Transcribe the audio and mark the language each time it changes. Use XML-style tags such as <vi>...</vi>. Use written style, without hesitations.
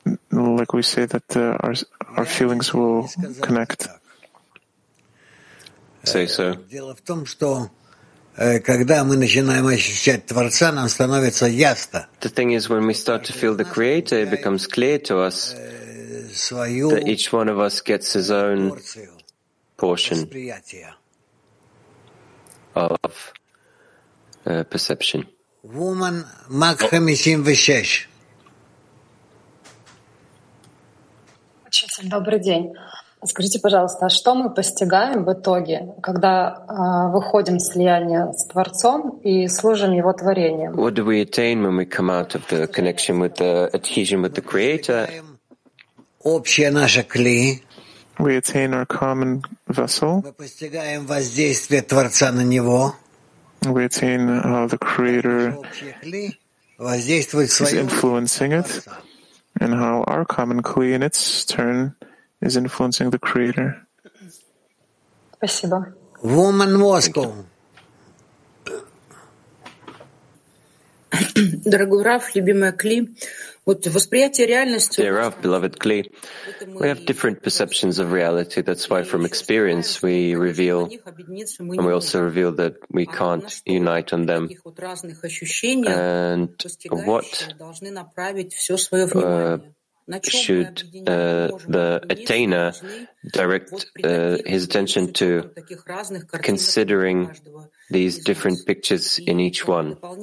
<en>Like we say that our feelings will connect. Say so.</en> <ru>Дело в том, что когда мы начинаем ощущать Творца, нам становится ясно.</ru> <en>The thing is, when we start to feel the Creator, it becomes clear to us that each one of us gets his own portion of perception. Woman, Mark 56.</en> <ru>Учитель, добрый день. Скажите, пожалуйста, а что мы постигаем в итоге, когда выходим в слияние с Творцом и служим Его творением?</ru> <en>What do we attain when we come out of the connection with the adhesion with the Creator?</en> <ru>Общее наше кли.</ru> <en>We attain our common vessel.</en> <ru>Мы постигаем воздействие Творца на него.</ru> <en>We attain how the Creator is influencing it. And how our common kli in its turn is influencing the Creator.</en> <ru>Спасибо.</ru> <en>Woman Moscow.</en> <ru>Дорогой Раф, любимая кли, вот восприятие реальности.</ru> <en>Dear Raf, beloved kli, we have different perceptions of reality. That's why from experience we reveal, and we also reveal that we can't unite on them. And what should the attainer direct his attention to, considering these different pictures in each one?</en>